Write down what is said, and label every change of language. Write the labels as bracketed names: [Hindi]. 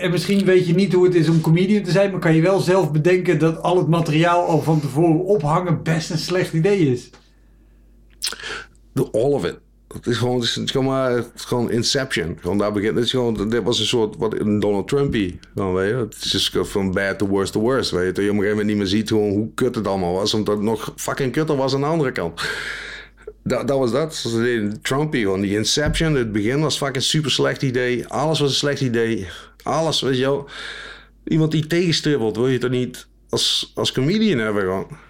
[Dutch] En misschien weet je niet hoe het is om comedian te zijn, maar kan je wel zelf bedenken dat al het materiaal al van tevoren ophangen best een slecht idee is? [English] All of it. [Dutch] Het is gewoon Inception. Gewoon daar begint. Dit was een soort wat Donald Trumpy. Het is [English] just from bad to worse to worse. [Dutch] Weet je, dat je op een gegeven moment niet meer ziet hoe kut het allemaal was, omdat het nog fucking kutter was aan de andere kant. Dat was dat. Trumpy, gewoon die Inception. Het begin was fucking super slecht idee. Alles was een slecht idee. Alles, weet je wel. Iemand die tegenstribbelt, wil je toch niet als comedian hebben?